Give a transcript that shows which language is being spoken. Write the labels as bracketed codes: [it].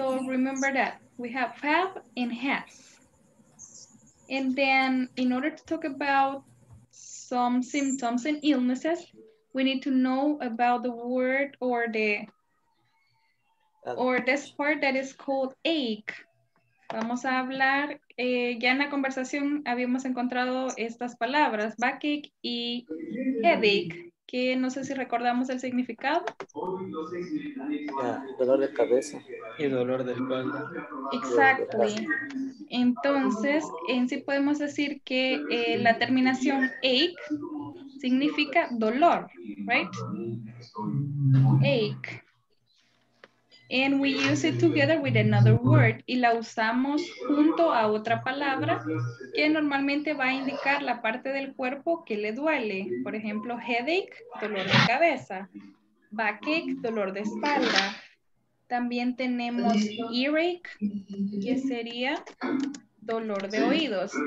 [en] So remember that. We have and has. And then in order to talk about some symptoms and illnesses, we need to know about the word or the or this part that is called ache. [es] Vamos a hablar, ya en la conversación habíamos encontrado estas palabras, backache y headache, que no sé si recordamos el significado. Dolor de cabeza. Y dolor de espalda. [en] Exactly. [es] Entonces, en sí podemos decir que la terminación ache significa dolor, right? [en] Ache. And we use it together with another word. [es] Y la usamos junto a otra palabra que normalmente va a indicar la parte del cuerpo que le duele. Por ejemplo, headache, dolor de cabeza. Backache, dolor de espalda. También tenemos earache, que sería dolor de oídos.